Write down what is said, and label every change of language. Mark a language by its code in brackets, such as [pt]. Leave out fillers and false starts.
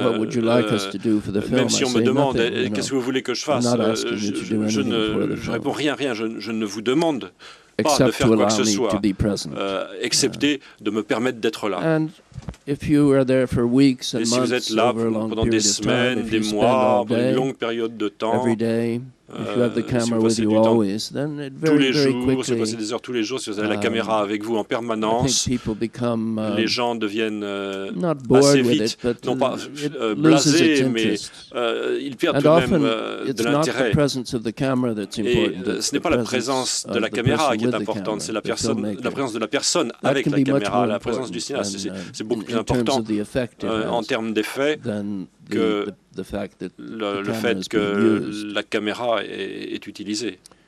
[fr] Même si on me demande qu'est-ce que vous voulez que je fasse, je réponds rien. Je ne vous demande pas de faire quoi que ce soit, excepté de me permettre d'être là. Et si vous êtes là pendant des semaines, des mois, pendant une longue période de temps, [en] if you have the camera with you always, then it very, [fr] tous les jours, [en] very quickly, [fr] si vous passez des heures tous les jours, si vous avez la caméra avec vous en permanence, les gens deviennent assez vite, non pas blasés, mais ils perdent tout de même de l'intérêt. [en] The presence of the camera that's important, [fr] et ce n'est pas la présence de la caméra qui est importante, c'est la présence de la personne avec la caméra, la présence du cinéaste, c'est beaucoup plus important en termes d'effet que le fait que la caméra est utilisée.